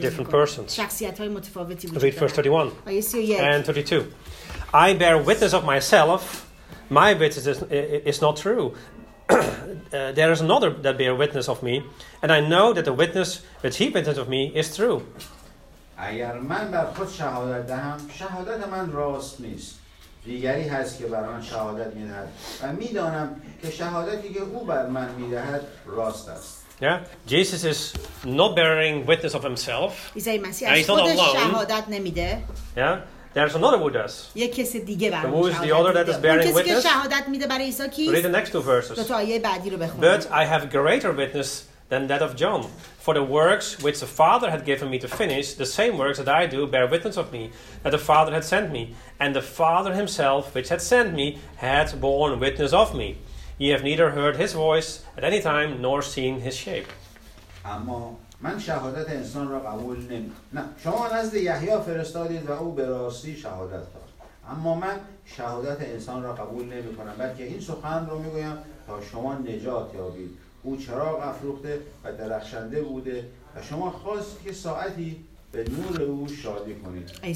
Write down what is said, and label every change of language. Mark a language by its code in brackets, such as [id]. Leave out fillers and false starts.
[en] They're different persons. [fa] شخصیت‌های متفاوتی وجود داره. [en] Read verse 31. And 32. I bear witness of myself. My witness is not true. there is another that bear witness of me, and I know that the witness which he witness of me is true. [fa] اگر من بر خود شهادت دهم، شهادت من راست نیست. دیگری هست که بر آن شهادت می‌دهد، و می‌دانم که شهادتی که او بر من می‌دهد راست است. [en] Yeah, Jesus is not bearing witness of himself. And he's not alone. Yeah. There's another who does. So who is the other that is bearing witness? Read the next two verses. But I have greater witness than that of John. For the works which the Father had given me to finish, the same works that I do bear witness of me, that the Father had sent me. And the Father himself, which had sent me, had borne witness of me. Ye have neither heard his voice at any time, nor seen his shape. [fa] من شهادت انسان را قبول نمی‌کنم. شما نزد یحیی فرستادید و او به راستی شهادت داد. اما من شهادت انسان را قبول نمی‌کنم، بلکه این سخن را می‌گویم تا شما نجات یابید. او چراغ افروخته و درخشنده بوده و شما خواست که ساعتی به نور او شادی کنید.